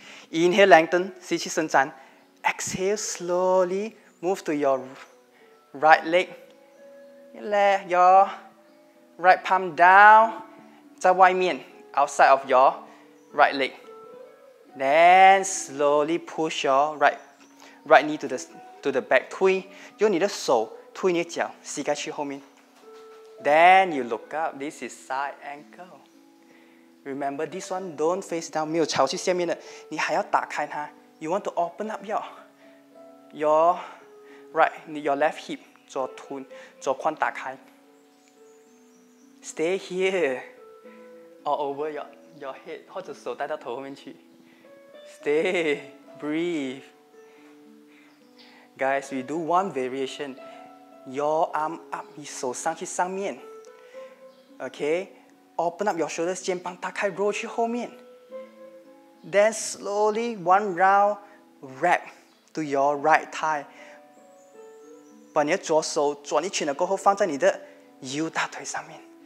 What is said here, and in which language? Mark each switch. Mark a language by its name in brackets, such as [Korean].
[English] Inhale, lengthen, [Chinese] 吸气伸展. [English] Exhale, slowly move to your right leg. Let your right palm down, [Chinese] 在外面. [English] Outside of your right leg. Then slowly push your right knee to the back. [Chinese] 推, 用你的手, 推你的脚, 膝盖去后面. [English] Then you look up. This is side ankle. Remember this one, don't face down. [Chinese] 没有朝去下面的. 你还要打开它. [English] You want to open up your left hip. [Chinese] 左臀, 左髋打开. [English] Stay here. All over your head, [Chinese] 或者手带到头后面去. [English] Stay, breathe. Guys, we do one variation. Your arm up, [Chinese] 你手上去上面. [English] Okay, open up your shoulders, [Chinese] 肩膀打开, [English] roll [Chinese] 去后面. [English] Then slowly, one round, wrap to your right thigh. [Chinese] 把你的左手转一圈了过后, 放在你的右大腿上面.